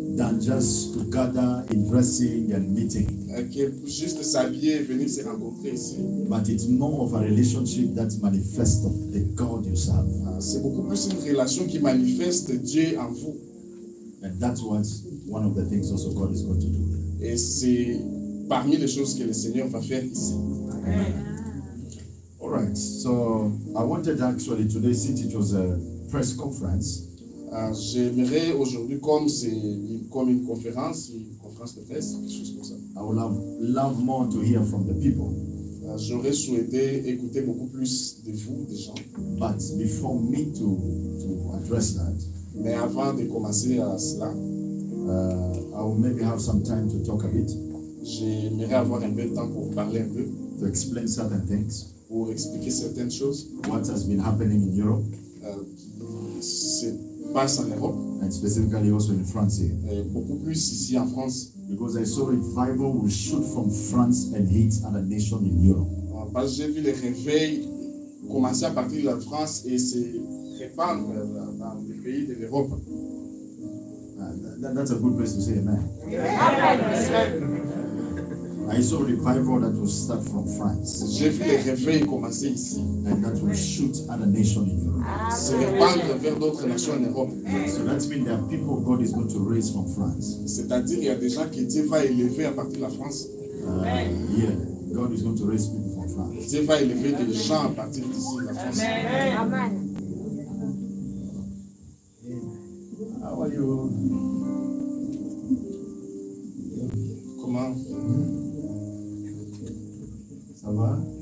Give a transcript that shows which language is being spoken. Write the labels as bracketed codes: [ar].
[en] Than just to gather in dressing and meeting. [fr] Juste s'habiller et venir se rencontrer ici. [en] But it's more of a relationship that manifests the God you serve. [fr] C'est beaucoup plus une relation qui manifeste Dieu en vous. [en] And that's what one of the things also God is going to do. [fr] Et c'est parmi les choses que le Seigneur va faire ici. [en] Amen. All right. So I wanted actually today, since it was a press conference. [fr] J'aimerais aujourd'hui, comme une conférence de presse, quelque chose comme ça. [en] I would love more to hear from the people. [fr] J'aurais souhaité écouter beaucoup plus de vous, des gens. [en] But before me to address that. [fr] Mais avant de commencer à cela, [en] I will maybe have some time to talk a bit. [fr] J'aimerais avoir un peu de temps pour parler un peu. [en] To explain certain things. [fr] Pour expliquer certaines choses. [en] What has been happening in Europe? [fr] C'est pas en Europe. [en] And specifically also in France. [fr] Et beaucoup plus ici en France. [en] Because I saw revival will shoot from France and hit other nations in Europe. [fr] Parce que j'ai vu les réveils commencer à partir de la France et se répandre dans les pays de l'Europe. [en] That's a good place to say amen. Amen. I saw revival that will start from France. [fr] J'ai vu les réveils commencer ici. [en] And that will shoot other nations in Europe. [fr] Se répandre vers d'autres nations en Europe. [en] So that means there are people God is going to raise from France. [fr] C'est-à-dire il y a des gens que Dieu va élever à partir de la France. [en] Yeah, God is going to raise people from France. [fr] Dieu va élever des gens à partir d'ici de la France. [en] Amen. Amen. How are you? [fr] Comment? Ça va?